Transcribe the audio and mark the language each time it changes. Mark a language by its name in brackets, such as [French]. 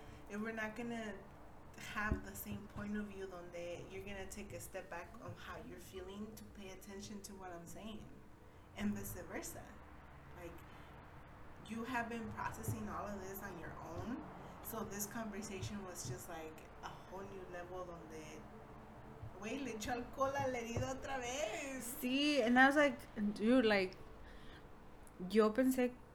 [English] If we're not gonna have the same point of view, donde you're gonna take a step back on how you're feeling to pay attention to what I'm saying, and vice versa. Like, you have been processing all of this on your own, so this conversation was just like a whole new level. [Spanish] Donde, wey, le echó alcohol a la herida otra vez. [English] Sí, and I was like, dude, like, [Spanish] yo pensé.